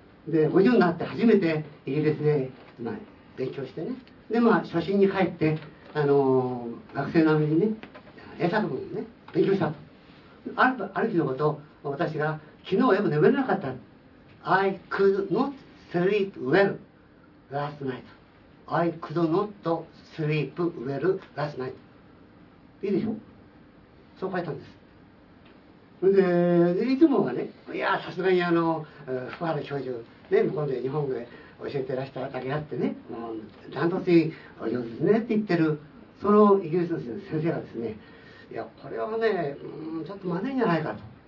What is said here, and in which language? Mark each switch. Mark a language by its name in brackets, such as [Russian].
[Japanese] で、50になって初めてイギリスで、まあ、勉強してね。で、まあ、初心に帰って、学生並みにね、英作文をね、勉強したと。ある日のこと、私が、昨日はよく眠れなかった。 [English] I could not sleep well last night. I could not sleep well last night. いいでしょ? [Japanese] そう書いたんです。で、いつもはね、いや、さすがに福原教授、ね、向こうで日本語で教えてらしただけあってね、もう、ダントツいいお嬢ですねって言ってる、そのイギリスの先生がですね、いや、これはね、ちょっとまずいんじゃないかと。